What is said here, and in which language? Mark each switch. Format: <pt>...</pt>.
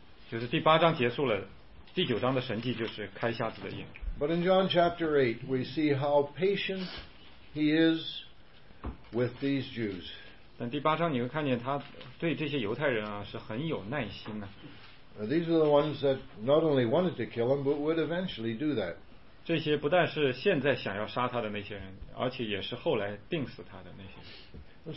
<zh>就是第八章结束了，第九章的神迹就是开瞎子的眼。</zh> <en>But in John chapter 8, we see how patient he is with these Jews.</en> <zh>但第八章你会看见他对这些犹太人啊是很有耐心的。</zh> <en>These are the ones that not only wanted to kill him, but would eventually do that.</en> <zh>这些不但是现在想要杀他的那些人，而且也是后来定死他的那些人。</zh>